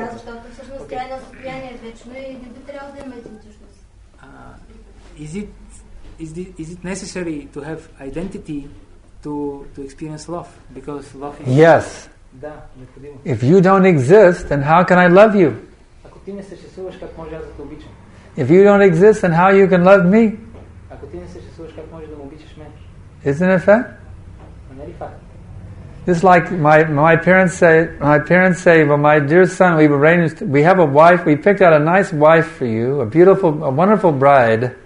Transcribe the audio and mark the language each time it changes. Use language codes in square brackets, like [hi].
[bg] Да, защото всъщност тя е едно състояние вечно и не би трябвало да има идентичност. [en] Is it necessary to have identity to experience love? Because love is... Yes. [bg] Да, необходимо. [en] If you don't exist, then how can I love you? [bg] Ако ти не съществуваш, как може аз да те обичам? [en] If you don't exist, then how you can love me? [bg] Ако ти не съществуваш, как може да ме обичаш мен? [en] Isn't it fact? [bg] Не ли факт? [en] It's like my parents say, well, my dear son, we've arranged, we have a wife, we picked out a nice wife for you, a beautiful, a wonderful bride.